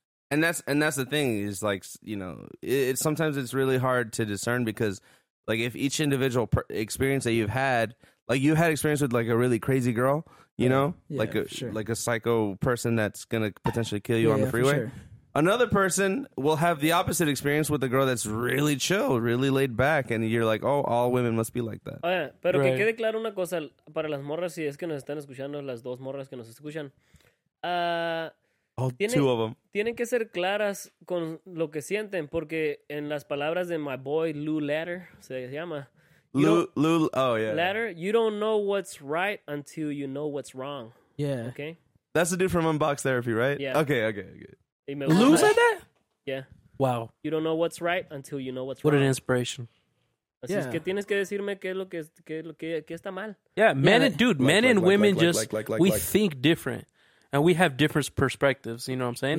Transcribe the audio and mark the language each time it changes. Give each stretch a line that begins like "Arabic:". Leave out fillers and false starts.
English: And that's the thing is, like, you know, sometimes it's really hard to discern, because, like, if each individual experience that you've had, like, you had experience with, like, a really crazy girl, you know, like a psycho person that's going to potentially kill you on the freeway. Sure. Another person will have the opposite experience with a girl that's really chill, really laid back. And you're like, oh, all women must be like that.
Spanish: Oye, pero que quede claro una cosa para las morras, si es que nos están escuchando, las dos morras que nos escuchan.
English: Two of them.
Spanish: Tienen que ser claras con lo que sienten, porque en las palabras de
English: my boy
Spanish: Lou Ladder, se llama.
English: Ladder, you don't know what's right until you know what's wrong. Yeah. Okay? That's the dude from Unbox Therapy, right? Yeah. Okay. Lou said that? Yeah. Wow. You don't know what's right until you know what's wrong. What an inspiration.
Spanish: Así es que tienes que decirme qué es lo que qué está mal.
English: Yeah, men and dude, men and women just we think different and we have different perspectives, you know what I'm saying?